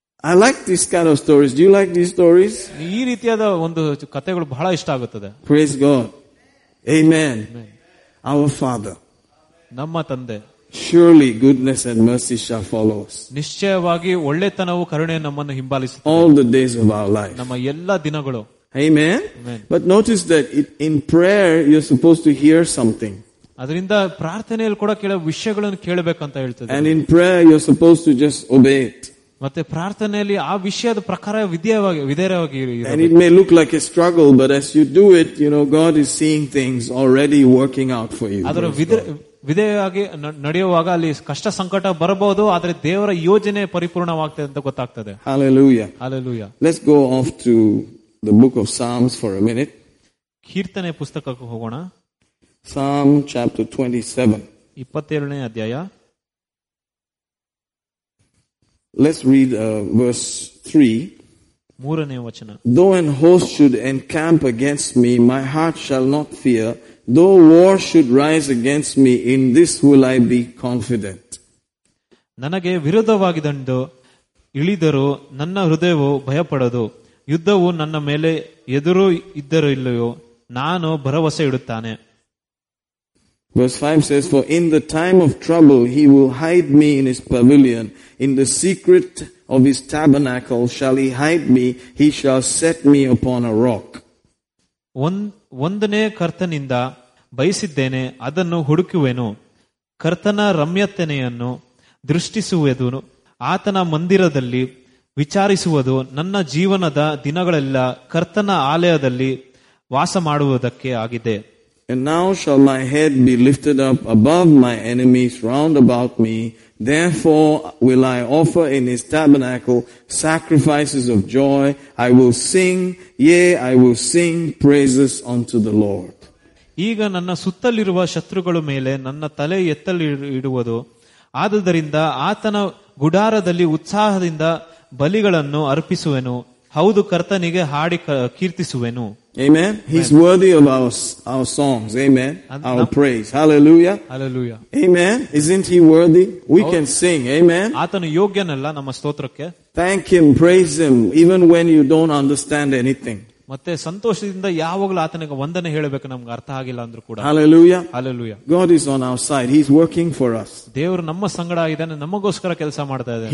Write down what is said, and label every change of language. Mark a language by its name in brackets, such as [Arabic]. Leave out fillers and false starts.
[English] I like this kind of stories. Do you like these stories? [Kannada] ಈ ರೀತಿಯಾದ ಒಂದು ಕಥೆಗಳು ಬಹಳ ಇಷ್ಟ ಆಗುತ್ತದೆ. [English] Praise God. Amen. Amen. Our Father. [Kannada] ನಮ್ಮ ತಂದೆ. [English] Surely goodness and mercy shall follow us. [Kannada] ನಿಶ್ಚಯವಾಗಿ ಒಳ್ಳೆತನವು ಕರುಣೆ ನಮ್ಮನ್ನು ಹಿಂಬಾಲಿಸುತ್ತದೆ. [English] All the days of our life. [Kannada] ನಮ್ಮ ಎಲ್ಲ ದಿನಗಳು. [English] Amen. Amen. But notice that in prayer you are supposed to hear something. [Kannada] ಅದರಿಂದ ಪ್ರಾರ್ಥನೆಯಲ್ಲಿ ಕೂಡ ಕೆಲವು ವಿಷಯಗಳನ್ನು ಕೇಳಬೇಕಂತ ಹೇಳ್ತದೆ. [English] And in prayer you are supposed to just obey it. [Kannada] ಮತ್ತೆ ಪ್ರಾರ್ಥನೆಯಲ್ಲಿ ಆ ವಿಷಯದ ಪ್ರಕಾರ ವಿಧೇಯವಾಗಿ. [English] And it may look like a struggle, but as you do it, you know, God is seeing things already working out for you. [Kannada] ಅದರ ವಿಧೇಯವಾಗಿ ನಡೆಯುವಾಗ ಅಲ್ಲಿ ಕಷ್ಟ ಸಂಕಟ ಬರಬಹುದು, ಆದರೆ ದೇವರ ಯೋಜನೆ ಪರಿಪೂರ್ಣವಾಗ್ತದೆ ಅಂತ ಗೊತ್ತಾಗ್ತದೆ. [English] Hallelujah. Hallelujah. Let's go off to the book of Psalms for a minute. [Kannada] ಕೀರ್ತನೆ ಪುಸ್ತಕಕ್ಕೆ ಹೋಗೋಣ. [English] Psalm chapter 27. [Kannada] 27ನೇ ಅಧ್ಯಾಯ. [English] Let's read verse 3. [Kannada] ಮೂರನೇ ವಚನ. [English] Though an host should encamp against me, my heart shall not fear. Though war should rise against me, in this will I be confident. [Kannada] ನನಗೆ ವಿರುದ್ಧವಾಗಿದ್ದು ಇಳಿದರೂ ನನ್ನ ಹೃದಯವು ಭಯಪಡದು. ಯುದ್ಧವು ನನ್ನ ಮೇಲೆ ಎದುರು ಇದ್ದರೂ ಇಲ್ಲವೋ ನಾನು ಭರವಸೆ ಇಡುತ್ತಾನೆ. [English] Verse 5 says, For in the time of trouble he will hide me in his pavilion. In the secret of his tabernacle shall he hide me. He shall set me upon a rock. [Kannada] ಒಂದನೆ ಕರ್ತನಿಂದ ಬಯಸಿದ್ದೇನೆ ಅದನ್ನು ಹುಡುಕುವೆನು. ಕರ್ತನ ರಮ್ಯತನೆಯನ್ನು ದೃಷ್ಟಿಸುವುದು ಆತನ ಮಂದಿರದಲ್ಲಿ ವಿಚಾರಿಸುವುದು ನನ್ನ ಜೀವನದ ದಿನಗಳೆಲ್ಲ ಕರ್ತನ ಆಲಯದಲ್ಲಿ ವಾಸ ಮಾಡುವುದಕ್ಕೆ ಆಗಿದೆ. [English] And now shall my head be lifted up above my enemies round about me. Therefore will I offer in his tabernacle sacrifices of joy. I will sing, yea, I will sing praises unto the Lord. [Kannada] ಈಗ ನನ್ನ ಸುತ್ತಲಿರುವ ಶತ್ರುಗಳ ಮೇಲೆ ನನ್ನ ತಲೆ ಎತ್ತಲಿಡುವುದು ಆದುದರಿಂದ ಆತನ ಗುಡಾರದಲ್ಲಿ ಉತ್ಸಾಹದಿಂದ ಬಲಿಗಳನ್ನು ಅರ್ಪಿಸುವೆನು. ಹೌದು, ಕರ್ತನಿಗೆ ಹಾಡಿ ಕೀರ್ತಿಸುವೆನು. [English] Amen. He's Amen. Worthy of our songs. Amen. Our praise. Hallelujah. Hallelujah. Amen. Isn't he worthy? We can sing. Amen. [Kannada] ಆತನು ಯೋಗ್ಯನಲ್ಲ ನಮ್ಮ ಸ್ತೋತ್ರಕ್ಕೆ. [English] Thank him, praise him, even when you don't understand anything. [Kannada] ಮತ್ತೆ ಸಂತೋಷದಿಂದ ಯಾವಾಗಲೂ ಆತನಿಗೆ ವಂದನೆ ಹೇಳಬೇಕು, ನಮ್ಗೆ ಅರ್ಥ ಆಗಿಲ್ಲ ಅಂದ್ರೂ ಕೂಡ. [English] Hallelujah. Hallelujah. God is on our side. He's working for us. [Kannada] ದೇವರು ನಮ್ಮ ಸಂಗಡ ಇದ್ದಾನೆ, ನಮಗೋಸ್ಕರ ಕೆಲಸ ಮಾಡ್ತಾ ಇದ್ದಾನೆ.